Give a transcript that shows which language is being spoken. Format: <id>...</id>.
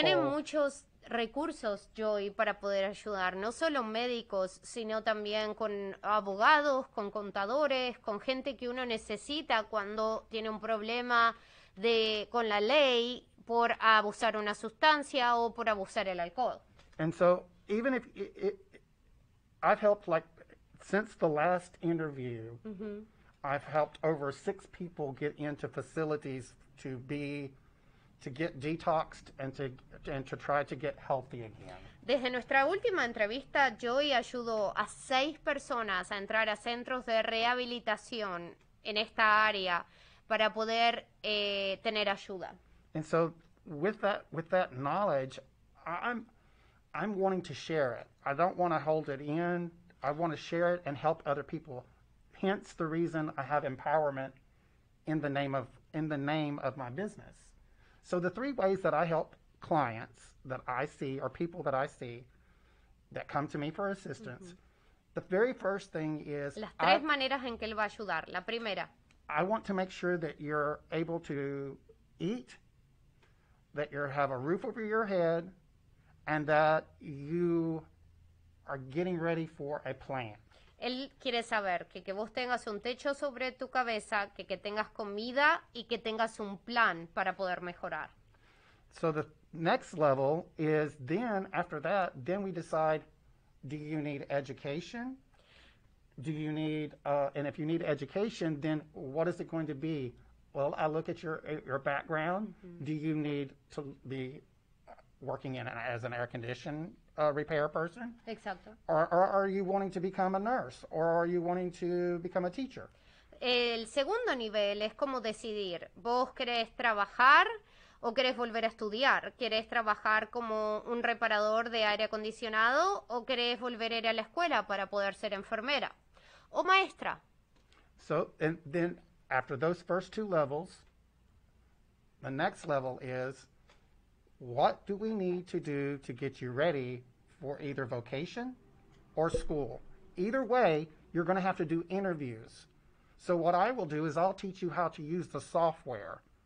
<es>Tiene muchos recursos, Joey, para poder ayudar, no solo médicos, sino también con abogados, con contadores, con gente que uno necesita cuando tiene un problema con la ley por abusar una sustancia o por abusar el alcohol.</es> <en>And so, even if I've helped, like, since the last interview, mm-hmm. I've helped over 6 people get into facilities to get detoxed and to try to get healthy again. Desde nuestra última entrevista, Joey ayudó a 6 personas a entrar a centros de rehabilitación en esta área para poder tener ayuda. And so with that knowledge, I'm wanting to share it. I don't want to hold it in. I want to share it and help other people. Hence the reason I have empowerment in the name of my business. So the 3 ways that I help clients that I see or people that I see that come to me for assistance, mm-hmm. the very first thing is</en> <es>maneras en que él va a ayudar. La primera.</es> <en>I want to make sure that you're able to eat, that you have a roof over your head, and that you are getting ready for a plan.</en> <es>Él quiere saber que vos tengas un techo sobre tu cabeza, que tengas comida y que tengas un plan para poder mejorar.</es> <en>So the next level is then, after that, then we decide, do you need education? Do you need, and if you need education, then what is it going to be? Well, I look at your background. Mm-hmm. Do you need to be working as an air conditioner? A repair person?</en> <es>Exacto.</es> <en>Or are you wanting to become a nurse? Or are you wanting to become a teacher?</en> <es>El segundo nivel es como decidir. ¿Vos querés trabajar o querés volver a estudiar? ¿Querés trabajar como un reparador de aire acondicionado o querés volver a ir a la escuela para poder ser enfermera o maestra?</es> <en>So, and then after those first 2 levels, the next level is, what do we need to do to get you ready for either vocation or school? Either way, you're going to have to do interviews. So what I will do is I'll teach you how to use the software</en>